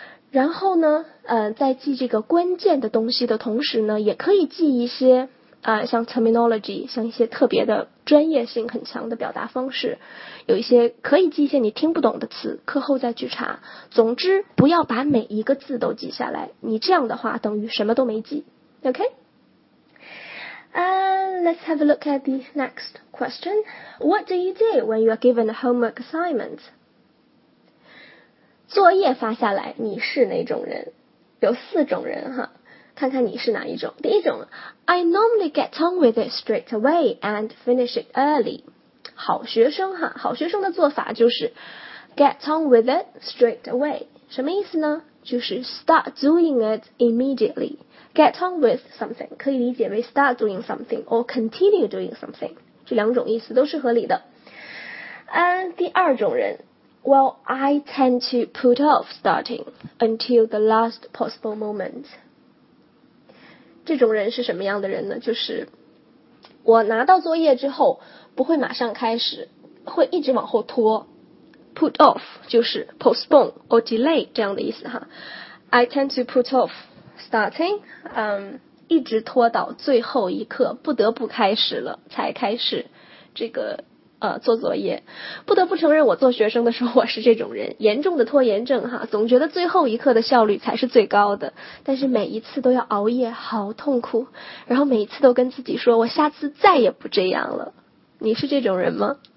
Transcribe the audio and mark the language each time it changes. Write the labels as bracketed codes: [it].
[zh] 然后呢在记这个关键的东西的同时呢也可以记一些像 terminology 像一些特别的专业性很强的表达方式有一些可以记一些你听不懂的词课后再去查总之不要把每一个字都记下来你这样的话等于什么都没记 [en] OK Let's have a look at the next question What do you do when you are given a homework assignment? [zh] 作业发下来你是哪种人有四种人哈看看你是哪一种第一种 [en] I normally get on with it straight away and finish it early [zh] 好学生哈好学生的做法就是 [en] get on with it straight away [zh] 什么意思呢就是 [en] start doing it immediately get on with something [zh] 可以理解为 [en] start doing something or continue doing something [zh] 这两种意思都是合理的第二种人 [en] Well, I tend to put off starting until the last possible moment. [zh] 这种人是什么样的人呢？就是我拿到作业之后不会马上开始，会一直往后拖。 [en] Put off [zh] 就是 [en] postpone or delay [zh] 这样的意思哈。 [en] I tend to put off starting, [zh] 一直拖到最后一刻，不得不开始了才开始这个做作业不得不承认我做学生的时候我是这种人严重的拖延症哈总觉得最后一刻的效率才是最高的但是每一次都要熬夜好痛苦然后每一次都跟自己说我下次再也不这样了你是这种人吗